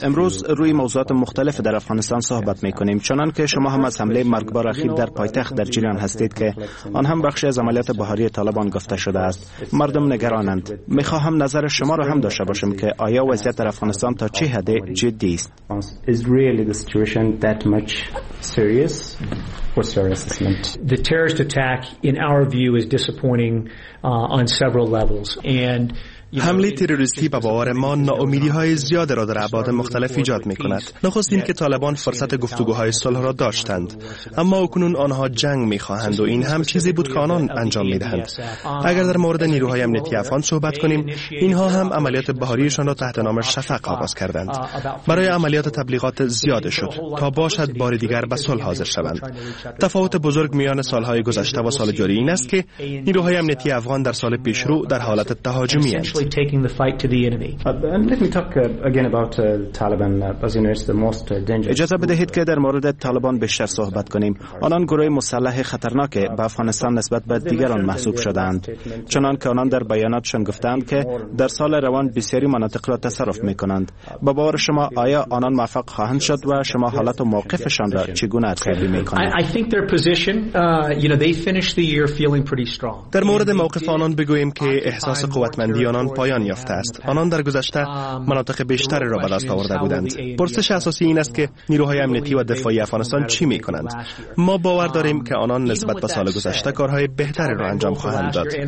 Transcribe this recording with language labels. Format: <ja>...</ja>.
<fa>امروز روی موضوعات مختلف در افغانستان صحبت می‌کنیم. چنان که شما هم از حمله مرگبار اخیر در پایتخت در جریان هستید که آن هم بخشی از عملیات بهاری طالبان گفته شده است. مردم نگرانند. می‌خواهم نظر شما را هم داشته باشم که آیا وضعیت در افغانستان تا چه حد جدی است؟</fa> <en>Is really the situation that much serious? for serious assessment. The terrorist attack, in our view, is disappointing on several levels. And</en> <fa>حمله تروریستی به باور ما ناامیدی های زیاده را در ابعاد مختلف ایجاد می کند. نخست این که طالبان فرصت گفتگوهای صلح را داشتند. اما اکنون آنها جنگ می خواهند و این هم چیزی بود که آنان انجام می دهند. اگر در مورد نیروهای امنیتی افغان صحبت کنیم، اینها هم عملیات بهاریشان را تحت نام شفق آغاز کردند. برای عملیات تبلیغات زیاده شد تا باشد بار دیگر به صلح حاضر شوند. تفاوت بزرگ میان سالهای گذشته و سال جاری این است که نیروهای امنیتی افغان در سال پیشرو در حالت تهاجمی هستند.</fa> <en>Actually taking the fight to the enemy. And let me talk again about Taliban. As you know, it's the most dangerous.</en> <fa>اجازه بدهید که در مورد طالبان بیشتر صحبت کنیم. آنان گروه مسلح خطرناک به افغانستان نسبت به دیگران محسوب شدند. چنان که آنان در بیاناتشان گفتند که در سال روان بسیاری مناطق را تصرف می‌کنند. به باور شما آیا آنان موفق خواهند شد و شما حالت و موقفشان را چگونه ارزیابی می‌کنید؟</fa> <en>I think their position, they finished the year feeling pretty strong.</en> <fa>در مورد موقف آنان بگوییم که احساس قوتمندی آنان پایان یافته است. آنان در گذشته مناطق بیشتری را به دست آورده بودند. پرسش اساسی این است که نیروهای امنیتی و دفاعی افغانستان چی می کنند؟ ما باور داریم که آنان نسبت به سال گذشته کارهای بهتری را انجام خواهند داد.</fa>